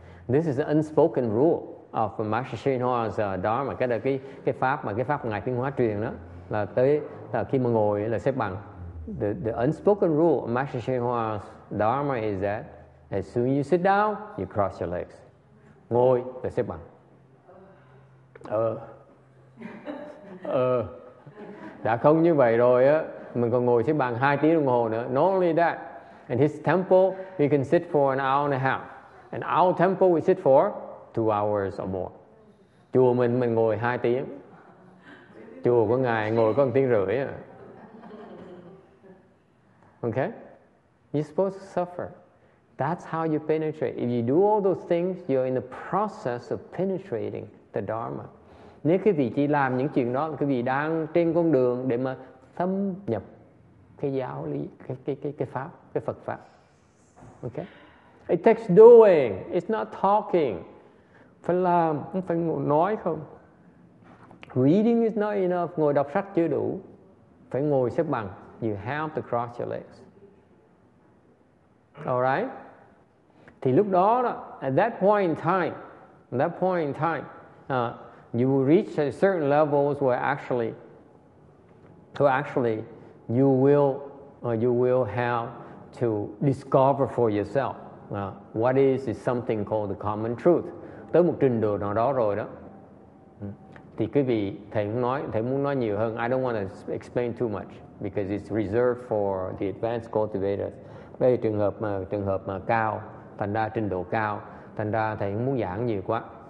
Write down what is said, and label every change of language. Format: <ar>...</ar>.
<en>This is the unspoken rule of Master Shinhua's Dharma.</en> <vi>Cái là cái pháp Ngài Tiến Hóa truyền đó. Là tới là khi mà ngồi là xếp bằng.</vi> <en>The unspoken rule of Master Shinhua's Dharma is that as soon as you sit down, you cross your legs.</en> <vi>Ngồi là xếp bằng. Đã không như vậy rồi á, mình còn ngồi xếp bằng 2 tiếng đồng hồ nữa.</vi> <en>Not only that, in his temple, we can sit for an hour and a half. In our temple, we sit for 2 hours or more.</en> <vi>Chùa mình ngồi 2 tiếng. Chùa của Ngài ngồi có 1 tiếng rưỡi à.</vi> <en>Okay? You're supposed to suffer. That's how you penetrate. If you do all those things, you're in the process of penetrating the Dharma.</en> <vi>Nếu quý vị chỉ làm những chuyện đó, quý vị đang trên con đường để mà thâm nhập cái giáo lý, cái pháp, cái Phật pháp. Okay?</vi> <en>It takes doing. It's not talking.</en> <vi>Phải làm, không phải nói không.</vi> <en>Reading is not enough.</en> <vi>Ngồi đọc sách chưa đủ. Phải ngồi xếp bằng.</vi> <en>You have to cross your legs. Alright?</en> <vi>Thì lúc đó,</vi> <en>at that point in time, you will reach a certain levels where actually you will have to discover for yourself what is something called the common truth.</en> <vi>Tới một trình độ nào đó rồi đó. Thì quý vị thầy muốn nói nhiều hơn.</vi> <en>I don't want to explain too much because it's reserved for the advanced cultivators.</en> <vi>Đây là trường hợp mà cao, thành ra trình độ cao, thành ra thầy không muốn giảng nhiều quá.</vi>